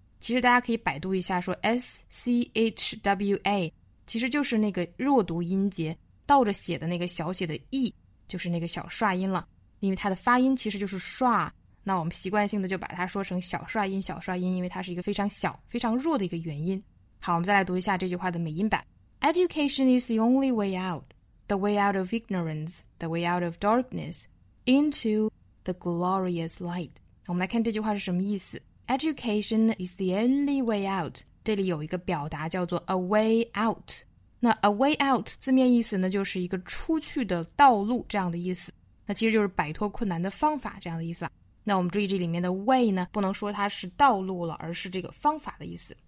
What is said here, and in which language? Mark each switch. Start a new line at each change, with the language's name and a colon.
Chinese: 其实大家可以百度一下，说 S-C-H-W-A, 其实就是那个弱读音节倒着写的那个小写的 E, 就是那个小刷音了，因为它的发音其实就是刷。那我们习惯性的就把它说成小刷音小刷音，因为它是一个非常小非常弱的一个元音。好，我们再来读一下这句话的美音版。
English: Education is the only way out, the way out of ignorance, the way out of darkness, into the glorious light.
Chinese: 我们来看这句话是什么意思。
English: Education is the only way out,
Chinese: 这里有一个表达叫做
English: a way out.
Chinese: 那 a way out 字面意思呢，就是一个出去的道路这样的意思，那其实就是摆脱困难的方法这样的意思。那我们注意这里面的 way 呢，不能说它是道路了，而是这个方法的意思。